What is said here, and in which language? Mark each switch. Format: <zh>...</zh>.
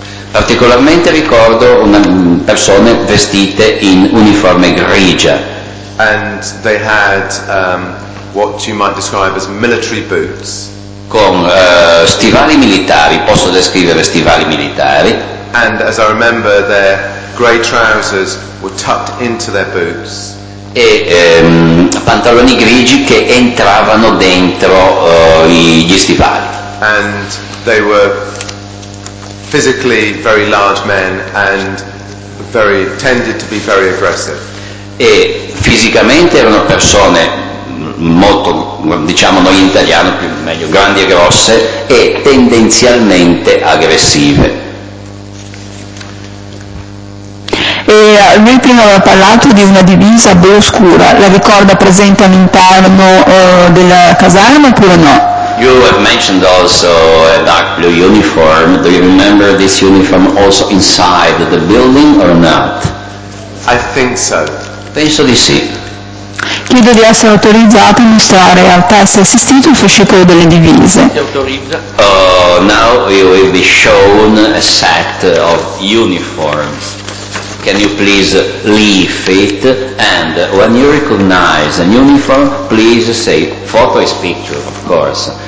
<it>Particolarmente ricordo persone vestite in uniforme grigia.</it> <en>And they had what you might describe as military boots.</en> <it>Con stivali militari, posso descrivere stivali militari.</it> <en>And as I remember, their grey trousers were tucked into their boots.</en> <it>E pantaloni grigi che entravano dentro gli stivali.</it> <en>And they were physically very large men and very tended to be very aggressive.</en> <it>E fisicamente erano persone molto, diciamo noi in italiano più meglio, grandi e grosse e tendenzialmente aggressive. E lui prima aveva parlato di una divisa blu scura, la ricorda presente all'interno della caserma oppure no?</it> <en>You have mentioned also a dark blue uniform. Do you remember this uniform also inside the building or not? I think so.</en> <it>Penso di sì. Chiedo di essere autorizzato a mostrare al test assistito il fascicolo delle divise.</it> <en>Now you will be shown a set of uniforms. Can you please leave it? And when you recognize an uniform, please say photo is picture, of course.</en>